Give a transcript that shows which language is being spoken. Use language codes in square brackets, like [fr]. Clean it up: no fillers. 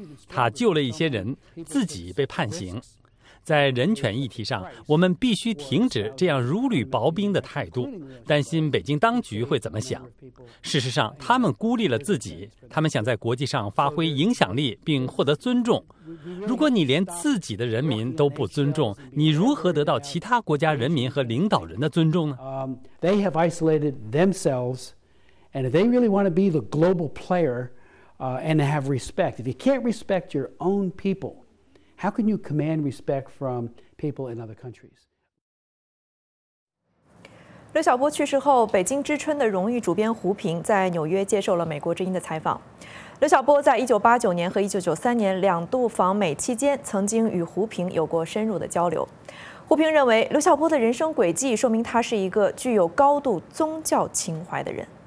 [zh] 他救了一些人，自己被判刑。在人权议题上，我们必须停止这样如履薄冰的态度，担心北京当局会怎么想。事实上，他们孤立了自己，他们想在国际上发挥影响力并获得尊重。如果你连自己的人民都不尊重，你如何得到其他国家人民和领导人的尊重呢？ [en] They have isolated themselves, and if they really want to be the global player, and have respect, if you can't respect your own people, how can you command respect from people in other countries? [zh] 刘晓波去世后，北京之春的荣誉主编胡平在纽约接受了美国之音的采访。刘晓波在1989年和1993年两度访美期间，曾经与胡平有过深入的交流。胡平认为，刘晓波的人生轨迹说明他是一个具有高度宗教情怀的人。